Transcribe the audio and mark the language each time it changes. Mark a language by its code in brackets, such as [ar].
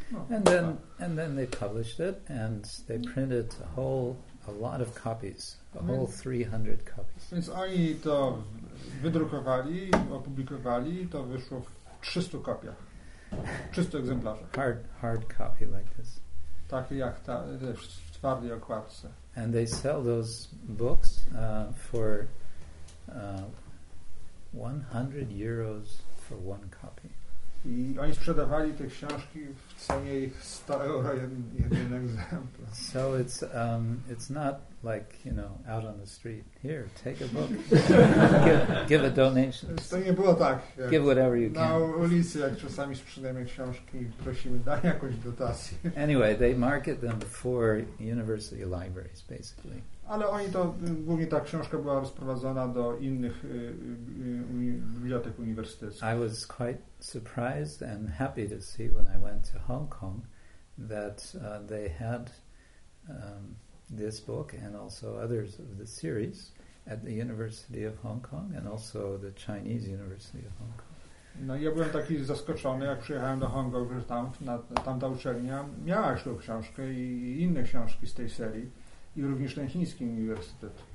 [en] And then they published it and they printed a lot of copies, whole 300 copies. [pl] Więc oni to wydrukowali, opublikowali, to wyszło w 300 kopiach, 300 egzemplarzy. [en] Hard copy like this. [pl] Tak jak ta, w twardej okładce. [en] And they sell those books for 100 euros. For one copy. [pl] I oni sprzedawali te książki w cenie ich 100 euro jeden egzemplarz. [en] So it's not like, you know, out on the street. Here, take a book. give a donation. [pl] To nie było tak. [en] Give whatever you can. [pl] Na ulicy, jak czasami sprzedajemy książki, prosimy, daj jakąś dotację. [en] Anyway, they market them for university libraries, basically. [pl] Ale oni to, głównie ta książka była rozprowadzona do innych bibliotek uniwersyteckich. [en] I was quite surprised and happy to see when I went to Hong Kong that they had this book and also others of the series at the University of Hong Kong and also the Chinese University of Hong Kong. [pl] No ja byłem taki zaskoczony, jak przyjechałem do Hong Kong, że tamta uczelnia miała już tą książkę i inne książki z tej serii. i również na chiński uniwersytet.